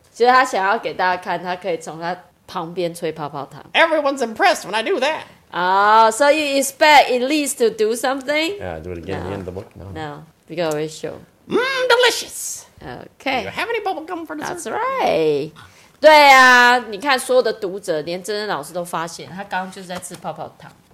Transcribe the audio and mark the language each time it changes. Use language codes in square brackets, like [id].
[zh] 就是他想要给大家看，他可以从他旁边吹泡泡糖。 [en] Everyone's impressed when I do that. Oh, so you expect Elise to do something? Yeah, do it again at the end of the book? No. No, we got a real show. Mmm, delicious! Okay. Do you have any bubble gum for dessert? That's right. [zh] 对啊，你看所有的读者，连真真老师都发现，他刚刚就是在吃泡泡糖。